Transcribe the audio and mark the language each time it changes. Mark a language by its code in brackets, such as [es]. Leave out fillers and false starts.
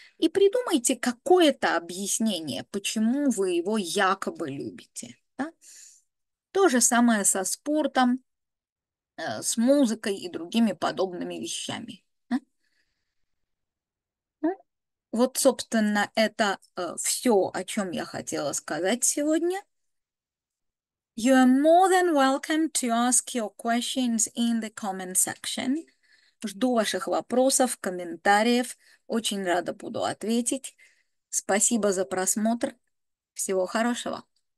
[ru] И придумайте какое-то объяснение, почему вы его якобы любите. Да? То же самое со спортом, с музыкой и другими подобными вещами. Вот, собственно, это все, о чем я хотела сказать сегодня. [en] You are more than welcome to ask your questions in the comment section. [ru] Жду ваших вопросов, комментариев. Очень рада буду ответить. Спасибо за просмотр. Всего хорошего.